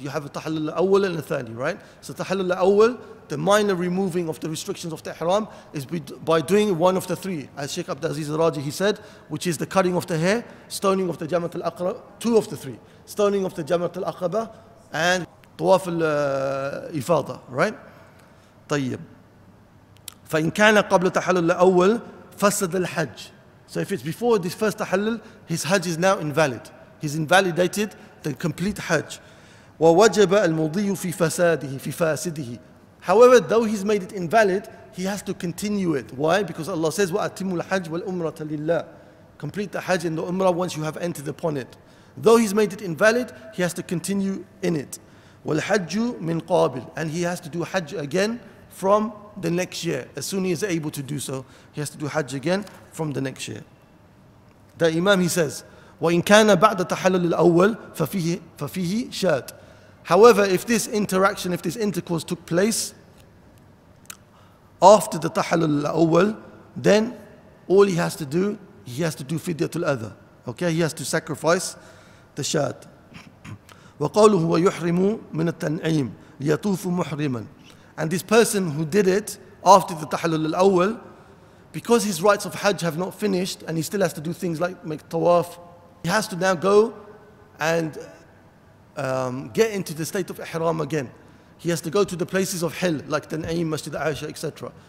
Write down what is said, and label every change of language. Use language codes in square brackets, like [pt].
[en] You have a tahallul al-awwal and a thani, right? So tahallul al-awwal, the minor removing of the restrictions of the ihram, is by doing one of the three, as Sheikh Abdulaziz al-Raji, he said, which is the cutting of the hair, stoning of the jamat al-aqraba, two of the three, stoning of the jamat al-aqraba, and طواف الإفاضة, right? [ar] طيب. فإن كان قبل تحلل الأول فسد الحج. [en] So if it's before this first tahallul, his hajj is now invalid. He's invalidated the complete hajj. [ar] ووجب المضي في فساده في فاسده. [en] However, though he's made it invalid, he has to continue it. Why? Because Allah says, [ar] وَأَتِمُّ الْحَجْ وَالْأُمْرَةَ لِلَّهِ. [en] Complete the hajj and the umrah once you have entered upon it. Though he's made it invalid, he has to continue in it. [ar] وَالْحَجُّ مِنْ قَابِلِ, [en] and he has to do hajj again from the next year. As soon as he is able to do so, he has to do hajj again from the next year. The imam, he says, [ar] وَإِنْ كَانَ بَعْدَ تَحَلَّلِ الْأَوَّلِ فَفِيهِ شَاتْ. [en] However, if this interaction, if this intercourse took place after the تَحَلَّلِ الْأَوَّلِ, then all he has to do, he has to do fidyatul adha. Okay, he has to sacrifice the shat. [ar] وقوله ويحرم من التنعيم ليطوف محرما. [en] And this person who did it after the tahallul al-awwal, because his rites of hajj have not finished and he still has to do things like make tawaf, he has to now go and get into the state of ihram again. He has to go to the places of hill like Tan'im, Masjid Aisha, etc.